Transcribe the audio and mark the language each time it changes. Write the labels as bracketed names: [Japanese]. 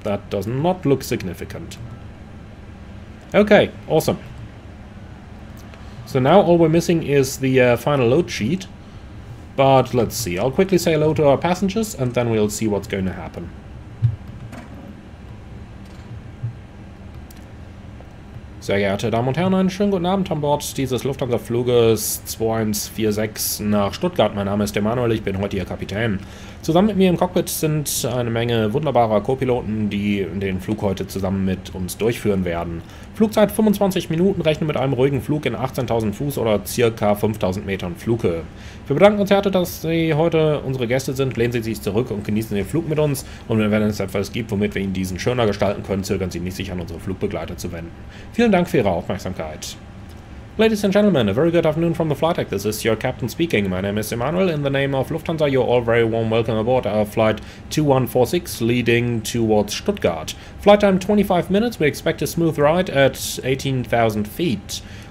[English] That does not look significant. Okay, awesome. So now all we're missing is the final load sheet. But let's see. I'll quickly say hello to our passengers and then we'll see what's going to happen. [German] Sehr geehrte Damen und Herren, einen schönen guten Abend an Bord dieses Lufthansa-Fluges 2146 nach Stuttgart. Mein Name ist Emanuel, ich bin heute Ihr Kapitän. Zusammen mit mir im Cockpit sind eine Menge wunderbarer Co-Piloten, die den Flug heute zusammen mit uns durchführen werden. Flugzeit 25 Minuten, rechne mit einem ruhigen Flug in 18.000 Fuß oder ca. 5.000 Metern Flughöhe. Wir bedanken uns herzlich, dass Sie heute unsere Gäste sind. Lehnen Sie sich zurück und genießen den Flug mit uns. Und wenn es etwas gibt, womit wir Ihnen diesen schöner gestalten können, zögern Sie nicht, sich an unsere Flugbegleiter zu wenden. Vielen Dank für Ihre Aufmerksamkeit. [English] Ladies and gentlemen, a very good afternoon from the flight deck. This is your captain speaking. My name is Emmanuel. In the name of Lufthansa, you're all very warm welcome aboard our flight 2146 leading towards Stuttgart. Flight time 25 minutes. We expect a smooth ride at 18,000 feet.